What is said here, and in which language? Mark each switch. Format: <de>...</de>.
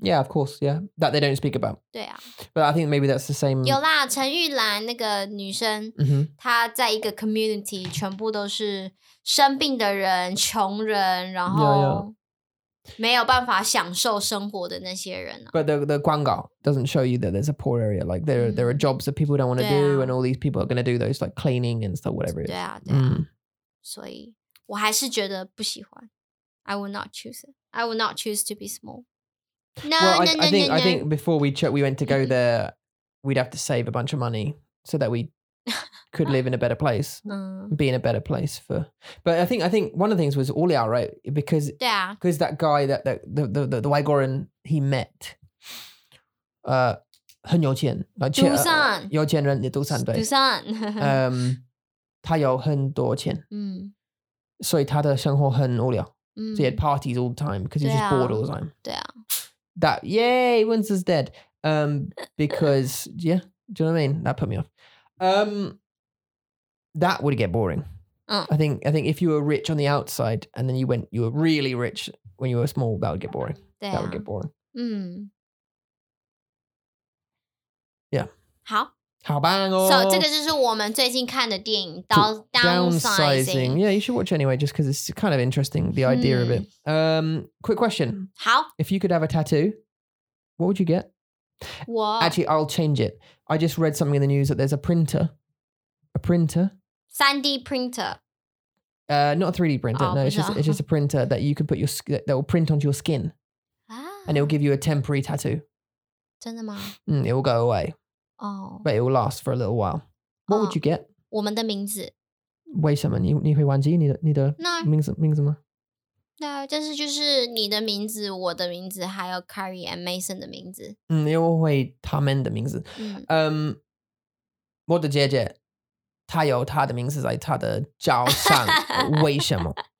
<en>Yeah, of course, yeah. That they don't speak about.</en> <zh>对啊.</zh> <en>But I think maybe that's the same...</en> <zh>有啦,陈玉兰那个女生, 她在一个community, 全部都是生病的人,穷人, 然后没有办法享受生活的那些人啊。</zh> <en>But the 广告 doesn't show you that there's a poor area. Like, there are jobs that people don't want to do, and all these people are going to do those, like, cleaning and stuff, whatever it is.</en> <zh>对啊, 所以我还是觉得不喜欢。</zh> <en>I will not choose it. I will not choose to be small. No. I think before we went to go there, we'd have to save a bunch of money so that we could live in a better place, be in a better place for. But I think one of the things was Oliar, right? Because that guy that the Waigoran he met, 很有钱,</en> <zh>而且,杜山, 有钱人, 杜山, 对, 杜山, 他有很多钱, 所以他的生活很无聊。</zh> <en>So he had parties all the time because he was just bored all the time. Yeah. That, yay, Winston's dead. Because, yeah, do you know what I mean? That put me off. That would get boring. I think if you were rich on the outside and then you were really rich when you were small, that would get boring. Yeah. That would get boring. Yeah. How?</en> <zh>好棒哦! So, 这个就是我们最近看的电影,Downsizing.</zh> <en>Yeah, you should watch anyway, just because it's kind of interesting, the idea of it. Quick question. How? If you could have a tattoo, what would you get? What? Actually, I'll change it. I just read something in the news that there's a printer. A printer? 3D printer. Not a 3D printer, no, it's just a printer that you can put your, that will print onto your skin. Ah. And it'll give you a temporary tattoo.</en> <zh>真的吗?</zh> <en>Mm, it will go away. Oh. But it will last for a little while. What would you get?</en> <zh>我们的名字。为什么你会忘记你的名字吗? 那就是你的名字, 我的名字, 还有Carrie and Mason的名字。嗯, 因为会他们的名字。我的姐姐, 她有她的名字在她的脚上, 为什么?</zh>